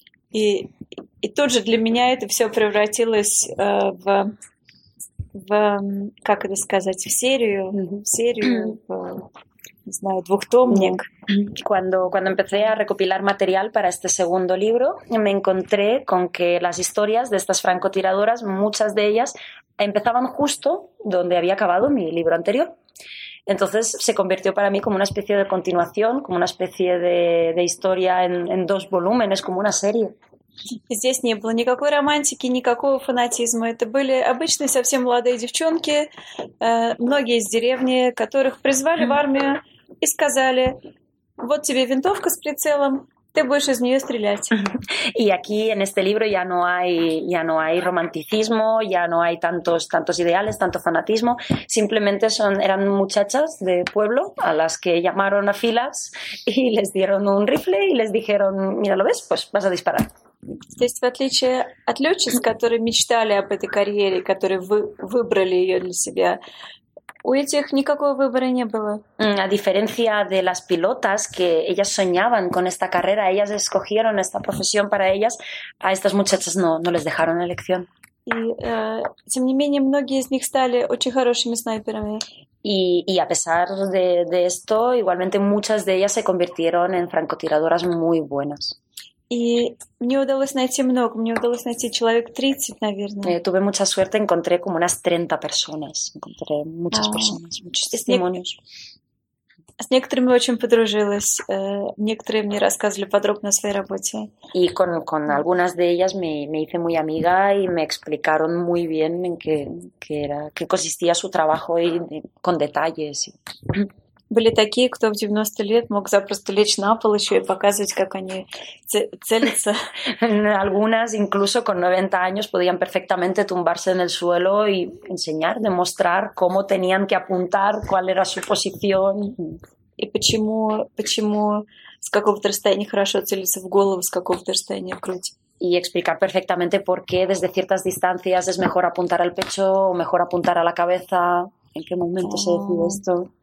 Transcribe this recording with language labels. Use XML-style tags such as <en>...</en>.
<ru>И тут же для меня это все превратилось в как это сказать, в серию, двухтомник.</ru> <es>Cuando empecé a recopilar material para este segundo libro, me encontré con que las historias de estas francotiradoras, muchas de ellas, empezaban justo donde había acabado mi libro anterior. Entonces se convirtió para mí como una especie de continuación, como una especie de historia en dos volúmenes, como una serie.</es> <ru>Здесь не было никакой романтики, никакого фанатизма. Это были обычные совсем молодые девчонки, многие из деревни, которых призвали в армию и сказали: «Вот тебе винтовка с прицелом, ты будешь из нее стрелять». И</ru> <es>aquí en este libro ya no hay romanticismo, ya no hay tantos ideales, tanto fanatismo. Simplemente eran muchachas de pueblo a las que llamaron a filas y les dieron un rifle y les dijeron: «Mira, ¿lo ves? Pues vas a disparar».</es> <ru>То есть, в отличие от летчиц, которые мечтали об этой карьере, которые выбрали ее для себя, у этих никакого выбора не было.</ru> <es>A diferencia de las pilotas, que ellas soñaban con esta carrera, ellas escogieron esta profesión para ellas, a estas muchachas no les dejaron elección.</es> <ru>И, тем не менее, многие из них стали очень хорошими снайперами.</ru> <es>Y a pesar de esto, igualmente muchas de ellas se convirtieron en francotiradoras muy buenas.</es> <ru>И мне удалось найти много, мне удалось найти человек 30, наверное.</ru> <es>Tuve mucha suerte, encontré como unas 30 personas. Encontré muchas personas, muchos testimonios.</es> <ru>С некоторыми очень подружилась. Некоторые мне рассказывали подробно о своей работе.</ru> <es>Y con algunas de ellas me hice muy amiga y me explicaron muy bien en qué consistía su trabajo y con detalles.</es> <ru>Были такие, кто в 90 лет мог запросто лечь на пол еще и показывать, как они целятся.</ru> <es>Algunas incluso con 90 años podían perfectamente tumbarse en el suelo y enseñar, demostrar cómo tenían que apuntar, cuál era su posición.</es> <ru>И почему с какого-то расстояния хорошо целиться в голову, с какого-то расстояния в грудь.</ru> <es>Y explicar perfectamente por qué desde ciertas distancias es mejor apuntar al pecho o mejor apuntar a la cabeza. ¿En qué momento se decide esto?</es>